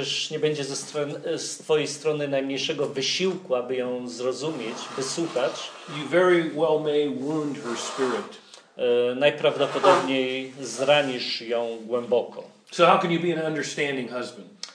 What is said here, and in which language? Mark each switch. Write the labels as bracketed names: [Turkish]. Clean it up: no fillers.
[Polish] nie będzie z twojej strony najmniejszego wysiłku, aby ją zrozumieć, wysłuchać, [English] you very well may wound her spirit. [Polish] Najprawdopodobniej zranisz ją głęboko. [English] So how can you be an understanding husband?